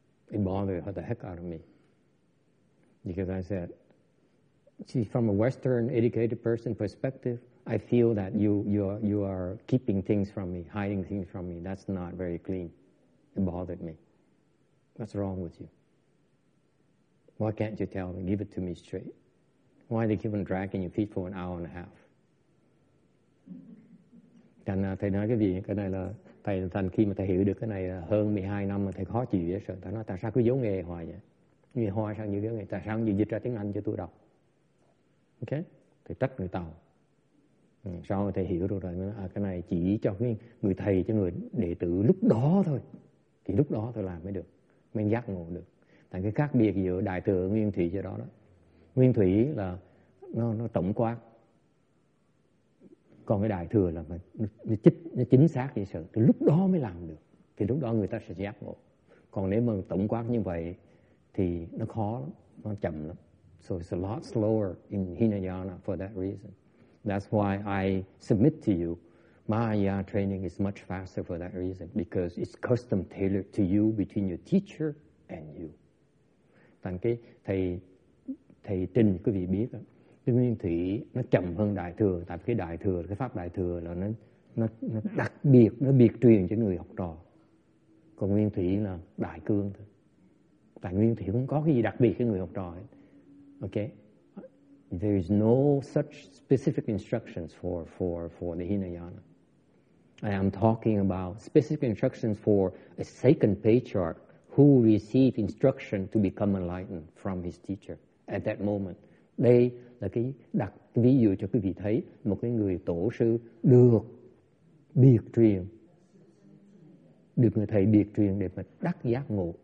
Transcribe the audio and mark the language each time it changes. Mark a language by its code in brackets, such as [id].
[en] It bothered the heck out of me. Because I said, see, from a Western educated person perspective, I feel that you are keeping things from me, hiding things from me. That's not very clean. It bothered me. What's wrong with you? Why can't you tell me? Give it to me straight. Why they keep on dragging your feet for an hour and a half? [vi] Thành thầy nói cái gì cái này là thầy thành khi mà thầy hiểu được cái này là hơn 12 năm mà thầy khó chịu vậy sao? Thầy nói tại sao cứ giấu nghề hoài vậy? Nghề hoài sao như thế này? Tại sao như dịch ra tiếng Anh cho tôi đọc? Ok? Thầy trách người tàu. Sau thầy hiểu được rồi, nói, cái này chỉ cho người thầy, cho người đệ tử lúc đó thôi. Thì lúc đó tôi làm mới được, mới giác ngộ được. Tại cái khác biệt giữa Đại Thừa Nguyên Thủy cho đó đó. Nguyên Thủy là nó tổng quát. Còn cái Đại Thừa là nó chính xác vậy sợ. Thì lúc đó mới làm được. Thì lúc đó người ta sẽ giác ngộ. Còn nếu mà tổng quát như vậy thì nó khó lắm, nó chậm lắm. [en] So it's a lot slower in Hinayana for that reason. That's why I submit to you, Mahayana training is much faster for that reason, because it's custom tailored to you between your teacher and you. [vi] Thành cái thầy trình quý vị biết, cái Nguyên Thủy nó chậm hơn Đại Thừa, tại cái Đại Thừa, cái Pháp Đại Thừa là nó đặc biệt, nó biệt truyền cho người học trò. Còn Nguyên Thủy là đại cương thôi. Tại Nguyên Thủy không có cái gì đặc biệt cho người học trò hết. [en] Ok? There is no such specific instructions for the Hinayana. I am talking about specific instructions for a second patriarch who received instruction to become enlightened from his teacher at that moment. [vi] Đây là cái đặc ví dụ cho quý vị thấy một cái người tổ sư được biệt truyền, được người thầy biệt truyền để mà đắc giác ngộ.